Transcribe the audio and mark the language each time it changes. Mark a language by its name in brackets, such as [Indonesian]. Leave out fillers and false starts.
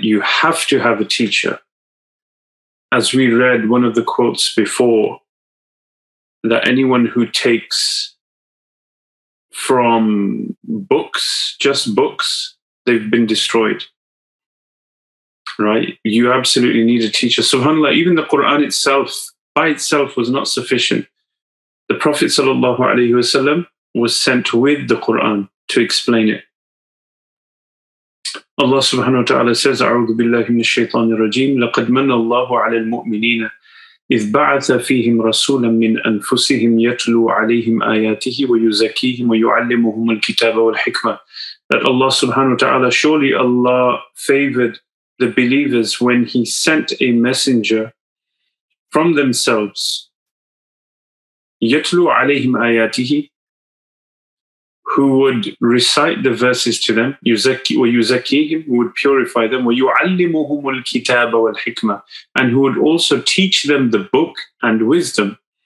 [English] You have to have a teacher. As we read one of the quotes before, that anyone who takes from books, just books, they've been destroyed, right? You absolutely need a teacher. SubhanAllah, even the Quran itself, by itself, was not sufficient. The Prophet sallallahu alaihi wasallam was sent with the Quran to explain it. Allah subhanahu wa ta'ala says, [Arabic] أعوذ بالله من الشيطان الرجيم لقد من الله على المؤمنين إذ بعث فيهم رسولا من أنفسهم يتلو عليهم آياته ويزكيهم ويعلمهم الكتاب والحكمة. [English] That Allah subhanahu wa ta'ala, surely Allah favored the believers when He sent a messenger from themselves, [Arabic] يتلو عليهم آياته, [English] who would recite the verses to them, [Arabic] ويزكيهم, [English] who would purify them, [Arabic] ويعلمهم الكتاب والحكمة, [English] and who would also teach them the book and wisdom.